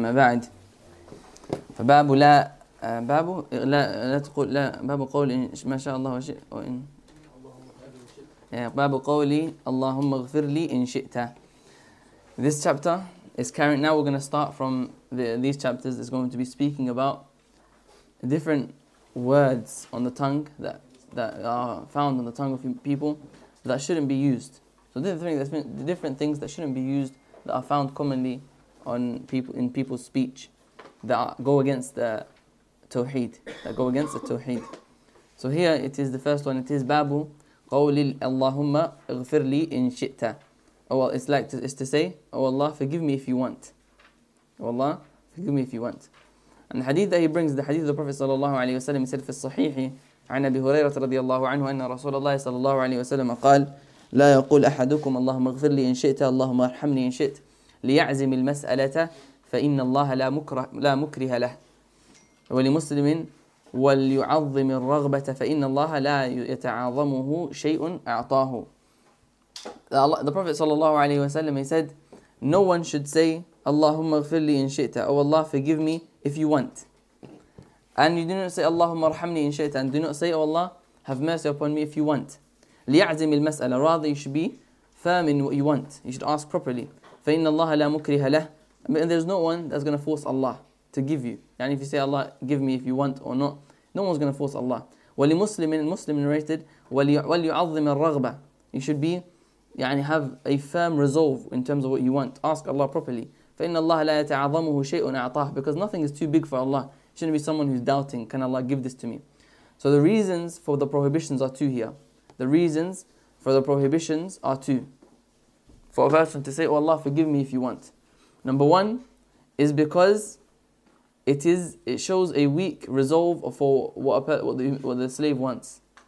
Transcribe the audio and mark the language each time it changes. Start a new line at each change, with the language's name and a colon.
Arabic: أما بعد، فباب لا باب لا لا تقول لا باب قول إن ما شاء الله وشئ وإن باب قولي اللهم اغفر لي إن شئت.
English: This chapter is current. Now we're going to start from these chapters. It's going to be speaking about different words on the tongue that are found on the tongue of people that shouldn't be used. So different things that shouldn't be used that are found commonly on people in people's speech that go against the tawheed, that go against the tawheed. So here it is, the first one, it is
Arabic: babu qawli allahumma ighfir li in shi'ta.
English: Oh, well, it's to say, oh Allah, forgive me if you want. Oh Allah, forgive me if you want. And the hadith that he brings, the hadith of the Prophet sallallahu alayhi wa sallam, he said,
Arabic: في الصحيح عن أبي هريرة رضي الله عنه أن رسول الله صلى الله عليه وسلم قال لا يقول أحدكم اللهم اغفر لي إن شئت اللهم ارحمني إن شئت ليعزم المسألة فإن الله لا مكره له ولمسلم وليعظم الرغبة فإن الله لا يتعظمه شيء أعطاه.
English: The Prophet sallallahu alayhi wa sallam, he said, no one should say
Arabic: اللهم اغفر لي إن شئت,
English: oh Allah, forgive me if you want. And you do not say
Arabic: اللهم ارحمني إن شئت,
English: and do not say, oh Allah, have mercy upon me if you want.
Arabic: ليعزم المسألة,
English: rather you should be firm in what you want. You should ask properly.
Arabic: فإن الله لا مكره له.
English: I mean, there's no one that's going to force Allah to give you. يعني if you say Allah, give me if you want or not, no one's going to force Allah.
Arabic: ولمسلم, المسلم narrated, وليعظم الرغبة.
English: You should be, يعني have a firm resolve in terms of what you want. Ask Allah properly.
Arabic: فإن الله لا يتعظمه شيء أعطاه.
English: Because nothing is too big for Allah. It shouldn't be someone who's doubting, can Allah give this to me? So the reasons for the prohibitions are two here. The reasons for the prohibitions are two. For a person to say, oh Allah, forgive me if you want. Number one is because it shows a weak resolve for what the slave wants.